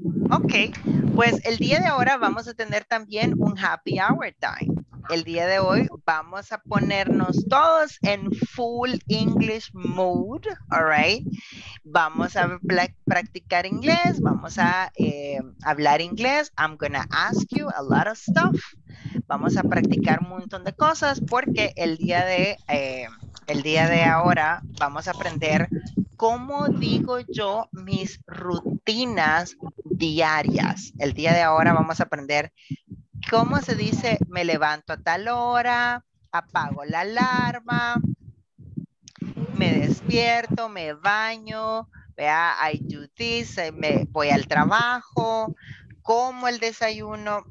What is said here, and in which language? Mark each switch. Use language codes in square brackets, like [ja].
[es] Ok, pues el día de ahora vamos a tener también un happy hour time. El día de hoy vamos a ponernos todos en full English mode, all right? Vamos a practicar inglés, vamos a hablar inglés. [en] I'm gonna ask you a lot of stuff. [es] Vamos a practicar un montón de cosas porque el día de ahora vamos a aprender cómo digo yo mis rutinas diarias. El día de ahora vamos a aprender cómo se dice me levanto a tal hora, apago la alarma, me despierto, me baño, vea, I do this, me voy al trabajo, como el desayuno.